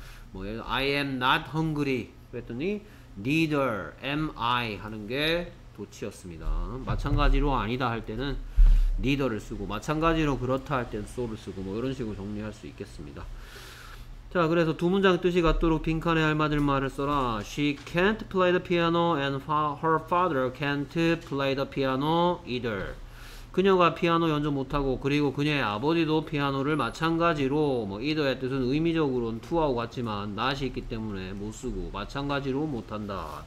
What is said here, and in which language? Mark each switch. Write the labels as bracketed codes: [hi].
[ko] 뭐 예를 들어 [en] I am not hungry [ko] 그랬더니 [en] neither am I [ko] 하는 게 도치였습니다. 마찬가지로 아니다 할 때는 neither를 쓰고 마찬가지로 그렇다 할 때는 so를 쓰고 뭐 이런 식으로 정리할 수 있겠습니다. 자, 그래서 두 문장 뜻이 같도록 빈칸에 알맞을 말을 써라. [en] She can't play the piano and her father can't play the piano either. [ko] 그녀가 피아노 연주 못하고, 그리고 그녀의 아버지도 피아노를 마찬가지로, 뭐, either의 뜻은 의미적으로는 to하고 같지만, not이 있기 때문에 못 쓰고, 마찬가지로 못한다.